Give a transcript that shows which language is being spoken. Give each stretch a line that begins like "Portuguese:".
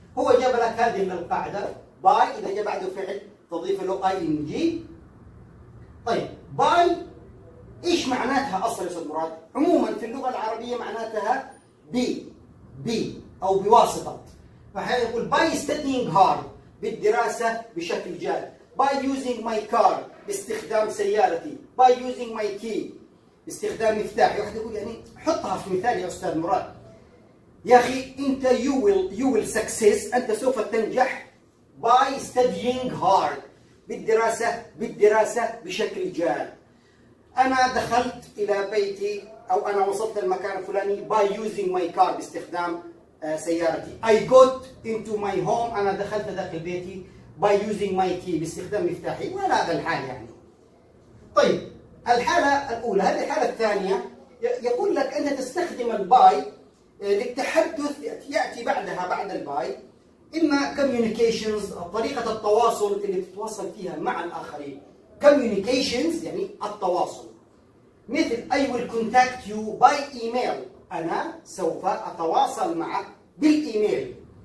Arabic: هو جاب لك هذه القاعده، باي اذا جاء بعده فعل تضيف له اي ان جي. طيب باي ايش معناتها اصلا يا استاذ مراد؟ عموما في اللغه العربيه معناتها بي او بواسطه. فهي يقول
English: by studying hard,
Arabic: بالدراسه بشكل جاد.
English: By using my car،
Arabic: باستخدام سيارتي.
English: By using my key،
Arabic: باستخدام مفتاح. واحد يقول يعني حطها في مثال يا استاذ مراد. يا اخي انت
English: you will success،
Arabic: انت سوف تنجح.
English: By studying hard،
Arabic: بالدراسه بشكل جاد. انا دخلت الى بيتي او انا وصلت المكان الفلاني
English: by using my car،
Arabic: باستخدام سيارتي.
English: I got into my home،
Arabic: انا دخلت داخل بيتي.
English: By using my key،
Arabic: باستخدام مفتاحي. ولا هذا الحال يعني. طيب الحالة الأولى، هذه الحالة الثانية. يقول لك أن تستخدم الباي للتحدث، يأتي بعدها بعد الباي إما communications، طريقة التواصل اللي تتواصل فيها مع الآخرين. communications يعني التواصل، مثل
English: I will contact you by email،
Arabic: أنا سوف أتواصل معك بالإيميل.